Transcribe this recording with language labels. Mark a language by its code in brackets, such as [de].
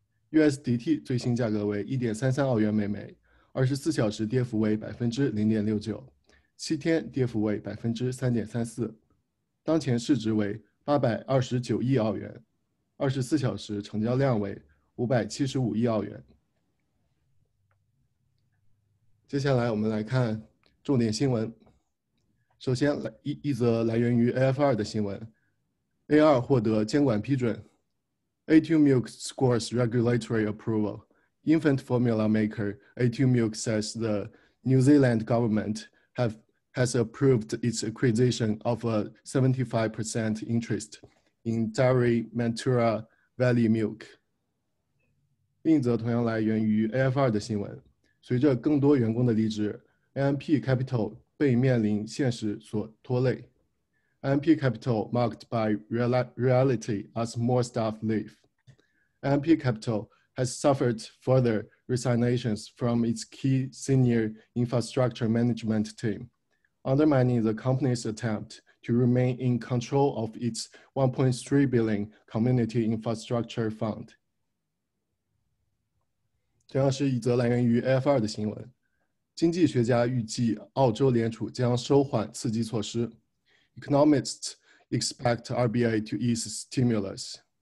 [zh] USDT 最新价格为1.33澳元每枚，24小时跌幅为0.69%，7天跌幅为3.34%，当前市值为829亿澳元，24小时成交量为575亿澳元。接下来我们来看重点新闻，首先来一则来源于 AFR 的新闻，A2 获得监管批准。 [en] A2 Milk scores regulatory approval. Infant formula maker A2 Milk says the New Zealand government has approved its acquisition of a 75% interest in Dairy Mantura Valley Milk. [zh] 另一则同样来源于 AFR 的新闻，随着更多员工的离职，AMP Capital 被面临现实所拖累。 [en] AMP Capital marked by reality as more staff leave. AMP Capital has suffered further resignations from its key senior infrastructure management team, undermining the company's attempt to remain in control of its $1.3 billion community infrastructure fund. [zh] 同样是一则来源于 AFR 的新闻。经济学家预计，澳洲联储将收缓刺激措施。 [en] Economists expect RBA to ease stimulus.